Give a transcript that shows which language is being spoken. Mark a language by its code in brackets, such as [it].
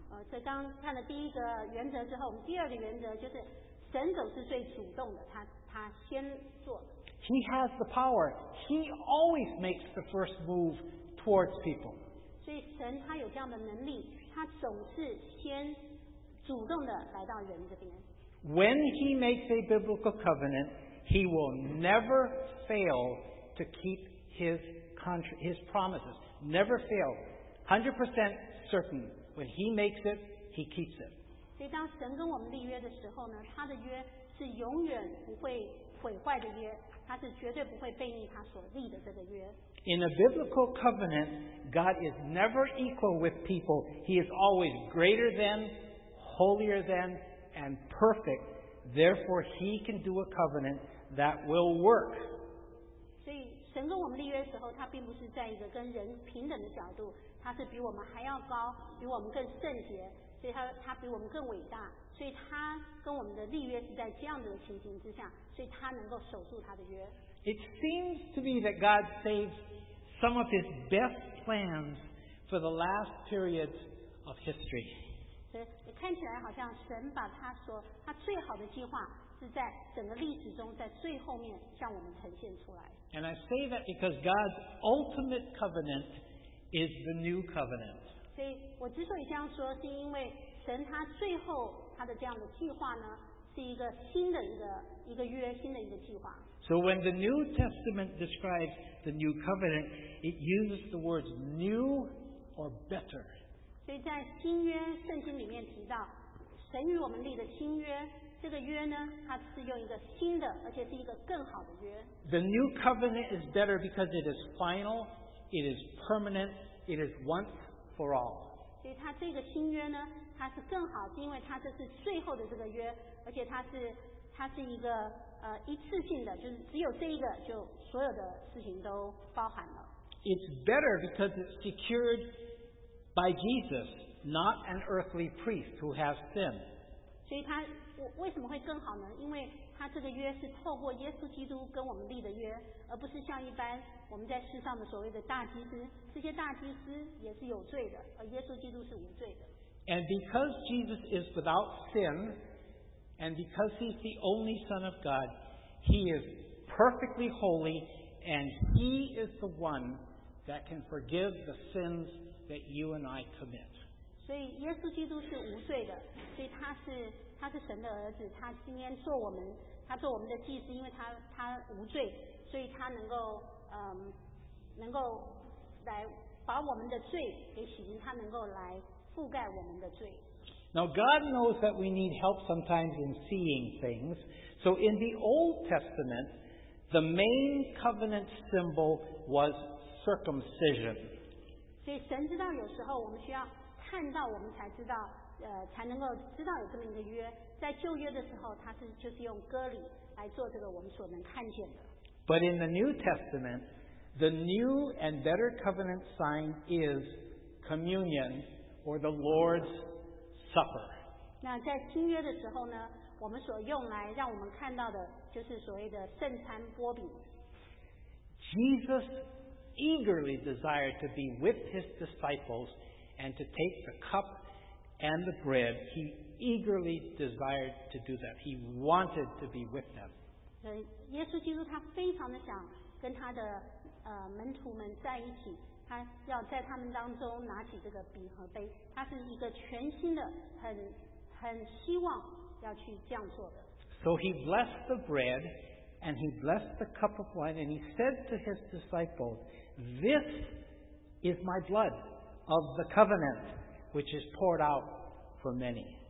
[zh] 所以刚看了第一个原则之后，我们第二个原则就是神总是最主动的，他先做。 [en] He has the power. He always makes the first move towards people. [zh] 所以神他有这样的能力，他总是先主动的来到人这边。 [en] When he makes a biblical covenant, he will never fail to keep his promises. Never fail. 100% certain. When he makes it, he keeps it. [zh] 所以当神跟我们立约的时候呢，他的约是永远不会毁坏的约，他是绝对不会背逆他所立的这个约。 [en] In a biblical covenant, God is never equal with people. He is always greater than, holier than,and perfect, therefore he can do a covenant that will work. [zh] 所以神跟我们立约的时候，他并不是在一个跟人平等的角度，他是比我们还要高，比我们更圣洁，所以他比我们更伟大，所以他跟我们的立约是在这样的情形之下，所以他能够守住他的约。 [en] It seems to me that God saves some of his best plans for the last periods of history. [zh] 所以看起来好像神把他最好的计划是在整个历史中在最后面向我们呈现出来。 [en] And I say that because God's ultimate covenant is the new covenant. [zh] 所以我之所以这样说，是因为神他最后他的这样的计划呢，是一个新的一个约，新的一个计划。 [en] So when the New Testament describes the new covenant, it uses the words new or better. [zh] 所以在新约圣经里面提到神与我们立的新约，这个约呢，它是用一个新的，而且是一个更好的约。 [en] The new covenant is better because it is final, it is permanent, it is once for all. [zh] 所以它这个新约呢，它是更好，是因为它这是最后的这个约，而且它是一个一次性的，就是只有这一个，就所有的事情都包含了。 [en] It's better because it's secured by Jesus, not an earthly priest who has sin. [zh] 所以他为什么会更好呢？因为他这个约是透过耶稣基督跟我们立的约，而不是像一般我们在世上的所谓的大祭司，这些大祭司也是有罪的，而耶稣基督是无罪的。 [en] And because Jesus is without sin, and because he's the only Son of God, he is perfectly holy, and he is the one that can forgive the sinsthat you and I commit. [zh] 所以耶稣基督是无罪的，所以他是神的儿子，他今天做我们，他做我们的祭司，因为他无罪，所以他能够来把我们的罪给洗净，他能够来覆盖我们的罪。 [en] Now God knows that we need help sometimes in seeing things. So in the Old Testament, the main covenant symbol was circumcision. [zh] 所以神知道有时候我们需要看到我们才知道才能够知道有这么一个约，在旧约的时候他是就是用割礼来做这个我们所能看见的。 [en] But in the New Testament, the new and better covenant sign is communion, or the Lord's supper. [zh] 那在新约的时候呢, 我们所用来让我们看到的就是所谓的圣餐波饼。 [en] Jesus eagerly desired to be with his disciples and to take the cup and the bread. He eagerly desired to do that. He wanted to be with them. [zh] 耶稣基督他非常的想跟他的门徒们在一起。他要在他们当中拿起这个饼和杯，他是一个全新的，很希望要去这样做的。 [en] So he blessed the bread, and he blessed the cup of wine, and he said to his disciples, "This is my blood of the covenant, which is poured out for many."